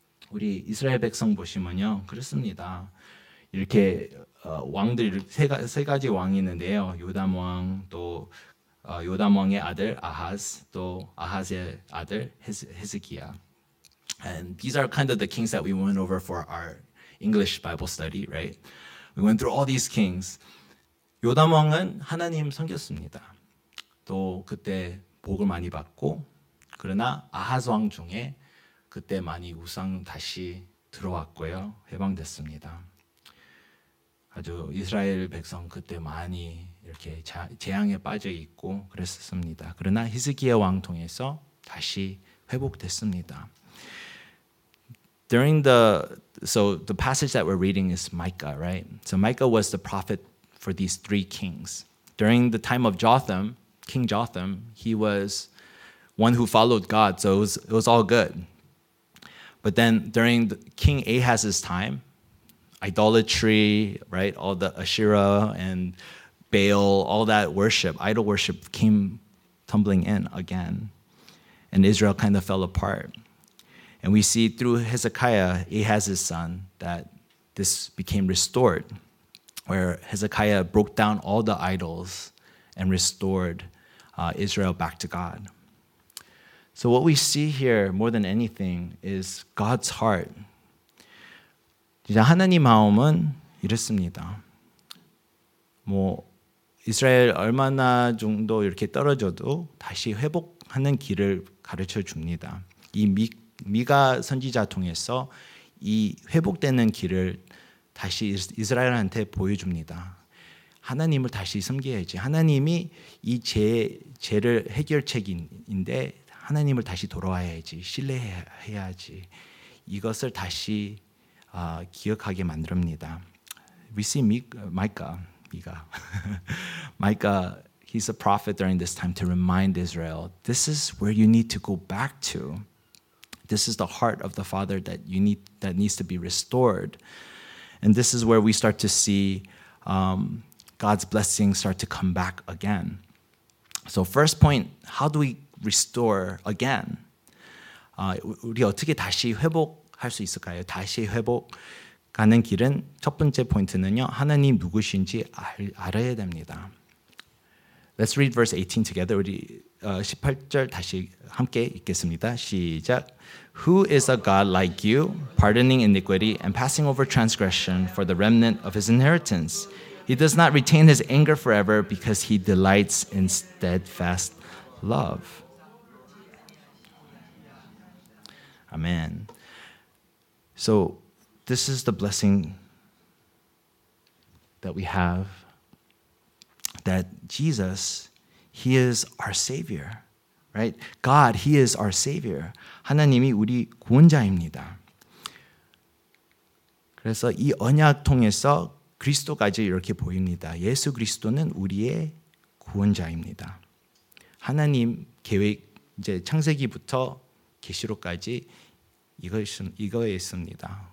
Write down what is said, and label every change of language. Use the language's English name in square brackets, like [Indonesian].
[Korean] 우리 이스라엘 백성 보시면요, 그랬습니다. 이렇게 왕들 세 가지 왕이 있는데요, 요담 왕 또 요담 왕의 아들 아하스, 또 아하스의 아들 헤스기야. [English] And these are kind of the kings that we went over for our English Bible study, right? We went through all these kings. [Korean] 요담 왕은 하나님 섬겼습니다. 또 그때 복을 많이 받고, 그러나 아하스 왕 중에 그때 많이 우상 다시 들어왔고요, 해방됐습니다. 아주 이스라엘 백성 그때 많이 이렇게 재앙에 빠져 있고 그랬었습니다. 그러나 히스기야 왕 통해서 다시 회복됐습니다. [English] During the passage that we're reading is Micah, right? So Micah was the prophet for these three kings. During the time of Jotham, King Jotham, he was one who followed God, so it was all good. But then during King Ahaz's time, idolatry, right? All the Asherah and Baal, all that worship, idol worship came tumbling in again. And Israel kind of fell apart. And we see through Hezekiah, Ahaz's son, that this became restored, where Hezekiah broke down all the idols and restored Israel back to God. So what we see here more than anything is God's heart. [Korean] 이제 하나님 마음은 이렇습니다. 뭐 이스라엘 얼마나 정도 이렇게 떨어져도 다시 회복하는 길을 가, 가르쳐 줍니다. 이 미가 선지자 통해서 이 회복되는 길을 다시 이스라엘한테 보여줍니다. 하나님을 다시 섬겨야지. 하나님이 이 죄를 해결책인데 하나님을 다시 돌아와야지. 신뢰해야지. 이것을 다시 기억하게 만듭니다. [English] We see Micah, he's a prophet during this time to remind Israel, this is where you need to go back to. This is the heart of the Father that needs to be restored. And this is where we start to see God's blessings start to come back again. So first point, how do we restore again? [Korean] 우리 어떻게 다시 회복할 수 있을까요? 다시 회복 가는 길은 첫 번째 포인트는요. 하나님 누구신지 알아야 됩니다. [English] Let's read verse 18 together. [Korean] 우리 18절 다시 함께 읽겠습니다. 시작. [English] Who is a God like you, pardoning iniquity and passing over transgression for the remnant of his inheritance? He does not retain his anger forever because he delights in steadfast love. Amen. So, this is the blessing that we have, that Jesus, he is our Savior, right? God, he is our Savior. [Korean] 하나님이 우리 구원자입니다. 그래서 이 언약 통해서 그리스도까지 이렇게 보입니다. 예수 그리스도는 우리의 구원자입니다. 하나님 계획, 이제 창세기부터 계시록까지 이거에 있습니다.